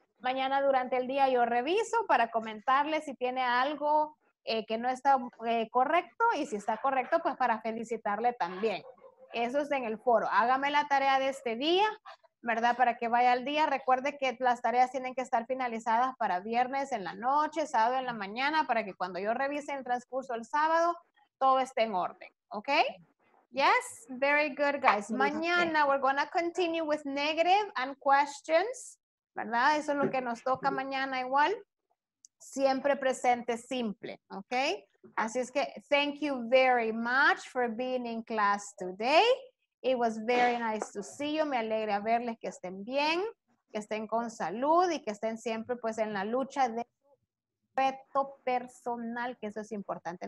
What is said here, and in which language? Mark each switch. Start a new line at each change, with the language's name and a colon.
Spanish: Mañana durante el día yo reviso para comentarle si tiene algo que no está correcto y si está correcto, pues para felicitarle también. Eso es en el foro. Hágame la tarea de este día, ¿verdad? Para que vaya al día. Recuerde que las tareas tienen que estar finalizadas para viernes en la noche, sábado en la mañana, para que cuando yo revise el transcurso el sábado, todo esté en orden.
English: ¿Ok? Yes, very good, guys. Mañana we're going to continue with negative and questions.
Spanish: ¿Verdad? Eso es lo que nos toca mañana igual. Siempre presente simple,
English: okay?
Spanish: Así es que
English: thank you very much for being in class today. It was very nice to see you.
Spanish: Me alegra verles que estén bien, que estén con salud y que estén siempre pues en la lucha de respeto personal, que eso es importante.